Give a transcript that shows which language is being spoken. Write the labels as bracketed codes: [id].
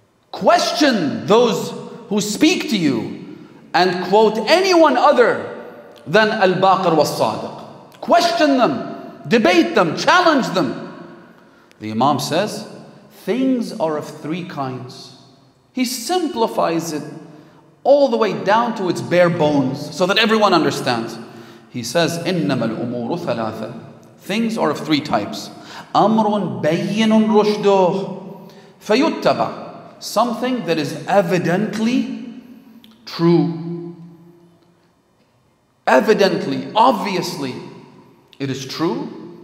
[en] Question those who speak to you and quote anyone other than Al-Baqir was-Sadiq. Question them, debate them, challenge them. The Imam says, things are of three kinds. He simplifies it all the way down to its bare bones so that everyone understands. [ar] He says, إِنَّمَا الْأُمُورُ ثَلَاثَ. [en] Things are of three types. [ar] أَمْرٌ بَيِّنٌ رُشْدُهُ فَيُتَّبَ. [en] Something that is evidently true. Evidently, obviously, it is true.